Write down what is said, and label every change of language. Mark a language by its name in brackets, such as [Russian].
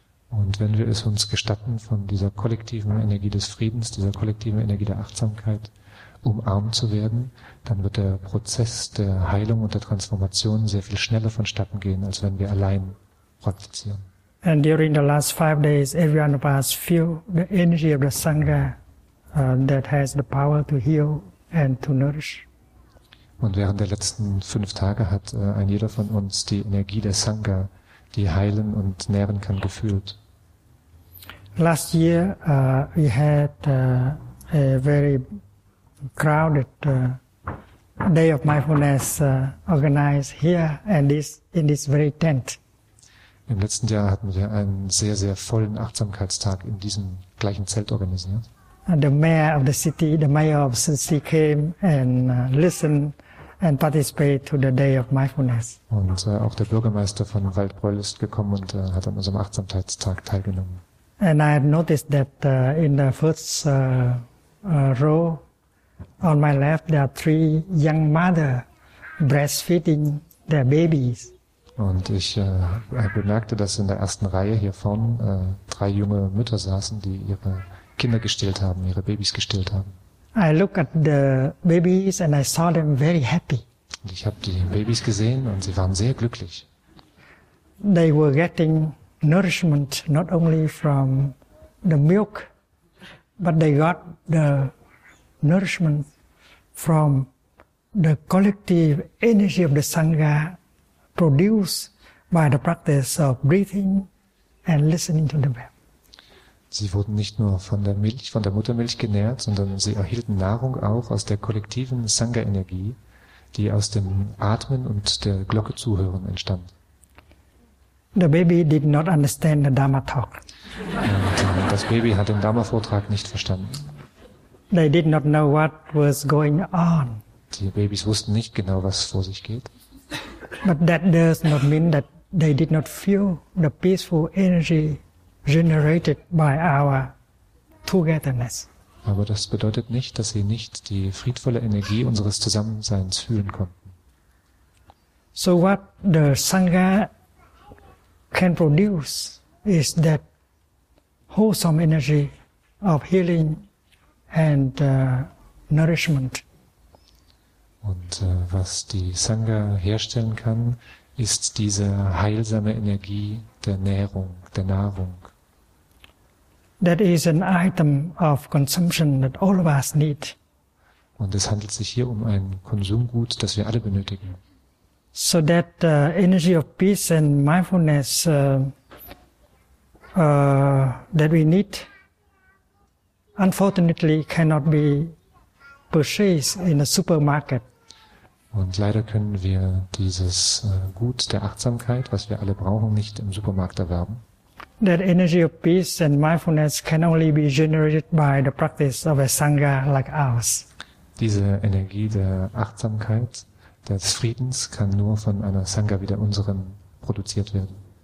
[German] Und wenn wir es uns gestatten, von dieser kollektiven Energie des Friedens, dieser kollektiven Energie der Achtsamkeit umarmt zu werden, dann wird der Prozess der Heilung und der Transformation sehr viel schneller vonstatten gehen, als wenn wir allein praktizieren. [English] And during the last 5 days, every one of us feel the energy of the Sangha that has the power to heal and to nourish. [German] Und während der letzten 5 Tage hat ein jeder von uns die Energie der Sangha, die heilen und nähren kann, gefühlt. [English] Last year we had a very crowded day of mindfulness organized here and in this very tent. [German] Im letzten Jahr hatten wir einen sehr, sehr vollen Achtsamkeitstag in diesem gleichen Zelt organisiert. [English] And the mayor of the city, the mayor of the city came and listened and participated to the day of mindfulness. [German] Und auch der Bürgermeister von Waldbröl ist gekommen und hat an unserem Achtsamkeitstag teilgenommen. [English] And I have noticed that in the first row on my left, there are three young mothers breastfeeding their babies. [German] Und ich bemerkte, dass in der ersten Reihe hier vorne drei junge Mütter saßen, die ihre Kinder gestillt haben, ihre Babys gestillt haben. [English] I looked at the babies and I saw them very happy. [German] Und ich habe die Babys gesehen und sie waren sehr glücklich. [English] They were getting nourishment not only from the milk, but they got the nourishment from the collective energy of the Sangha produced by the practice of breathing and listening to the breath. [German] Sie wurden nicht nur von der Milch, von der Muttermilch genährt, sondern sie erhielten Nahrung auch aus der kollektiven Sangha-Energie, die aus dem Atmen und der Glocke zuhören entstand. [English] The baby did not understand the Dharma talk. [German] Und das Baby hat den Dharma-Vortrag nicht verstanden. [English] They did not know what was going on. [German] Die Babys wussten nicht genau, was vor sich geht. [English] But that does not mean that they did not feel the peaceful energy generated by our togetherness. [German] Aber das bedeutet nicht, dass sie nicht die friedvolle Energie unseres Zusammenseins fühlen konnten. [English] So what the Sangha can produce is that wholesome energy of healing and nourishment. [German] Und was die Sangha herstellen kann, ist diese heilsame Energie der Nährung, der Nahrung. [English] That is an item of consumption that all of us need. [German] Und es handelt sich hier um ein Konsumgut, das wir alle benötigen. [English] So that energy of peace and mindfulness that we need, unfortunately, cannot be purchased in a supermarket. [German] Und leider können wir dieses Gut der Achtsamkeit, was wir alle brauchen, nicht im Supermarkt erwerben. [English] That energy of peace and mindfulness can only be generated by the practice of a sangha like ours. [German] Diese Energie der Achtsamkeit, des Friedens, kann nur von einer Sangha wie der unseren produziert werden.